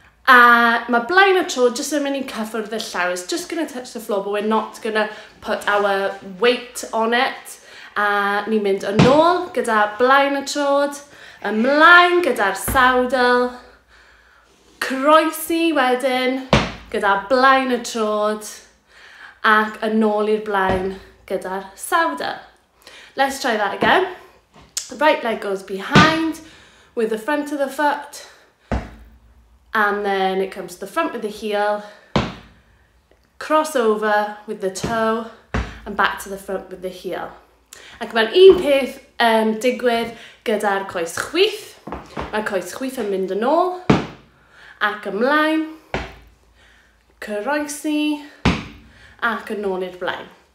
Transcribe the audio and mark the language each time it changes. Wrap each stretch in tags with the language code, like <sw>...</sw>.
<cy>A mae blaen y tro just yn mynd i cyffwrdd y llawr.</cy> <en>It's just going to touch the floor, but we're not going to put our weight on it.</en> <cy>A ni'n mynd yn ôl gyda blaen y tro, ymlaen gyda'r sawdl, croesi wedyn gyda blaen y tro, ac yn ôl i'r blaen gyda'r sawdl.</cy> <en>Let's try that again. The right leg goes behind with the front of the foot, and then it comes to the front with the heel, cross over with the toe, and back to the front with the heel.</en> <cy>Ac mae'r un peth digwydd gyda'r coes chwith. Mae'r coes chwith yn mynd yn ôl, ac ymlaen, croesi, ac yn ôl i'r blaen.</cy>